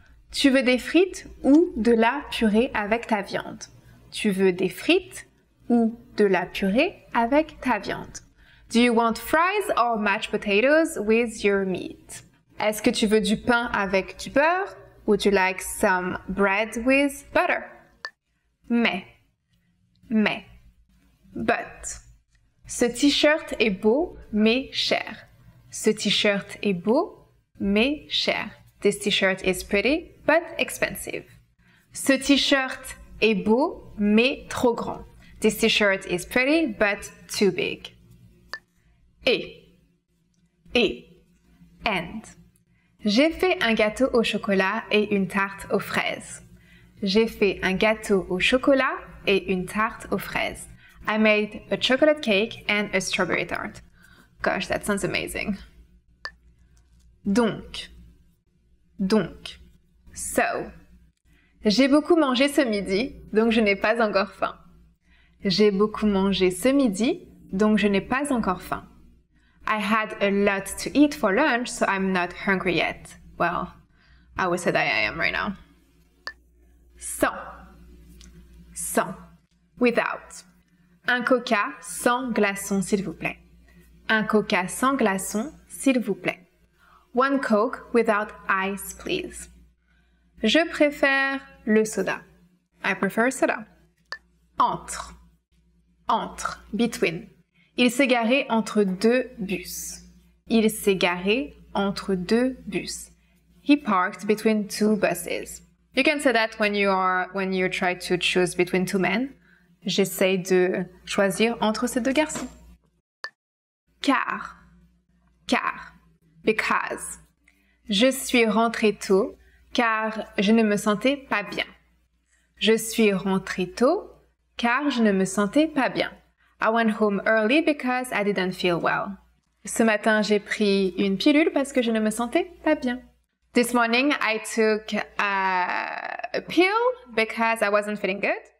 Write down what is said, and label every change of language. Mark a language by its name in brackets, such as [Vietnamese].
[French] Tu veux des frites ou de la purée avec ta viande? Tu veux des frites ou de la purée avec ta viande? [English] Do you want fries or mashed potatoes with your meat? [French] Est-ce que tu veux du pain avec du beurre? [English] Would you like some bread with butter? [French] Mais. Mais. [English] But. [French] Ce t-shirt est beau, mais cher. Ce t-shirt est beau, mais cher. [English] This t-shirt is pretty, but expensive. [French] Ce t-shirt est beau, mais trop grand. [English] This t-shirt is pretty, but too big. [French] Et. Et. And. J'ai fait un gâteau au chocolat et une tarte aux fraises. J'ai fait un gâteau au chocolat et une tarte aux fraises. [English] I made a chocolate cake and a strawberry tart. Gosh, that sounds amazing. [French] Donc. Donc. [English] So. [French] J'ai beaucoup mangé ce midi, donc je n'ai pas encore faim. J'ai beaucoup mangé ce midi, donc je n'ai pas encore faim. [English] I had a lot to eat for lunch, so I'm not hungry yet. Well, I would say that I am right now. [French] Sans. Sans. Without. Un coca sans glaçon, s'il vous plaît. Un coca sans glaçon, s'il vous plaît. [English] One Coke without ice, please. [French] Je préfère le soda. [English] I prefer soda. Entre. Entre. Between. [French] Il s'est garé entre deux bus. Il s'est garé entre deux bus. [English] He parked between two buses. You can say that when you try to choose between two men. [French] J'essaie de choisir entre ces deux garçons. Car. Car. Because. Je suis rentrée tôt car je ne me sentais pas bien. Je suis rentrée tôt car je ne me sentais pas bien. [English] I went home early because I didn't feel well. [French] Ce matin, j'ai pris une pilule parce que je ne me sentais pas bien. [English] This morning, I took a pill because I wasn't feeling good.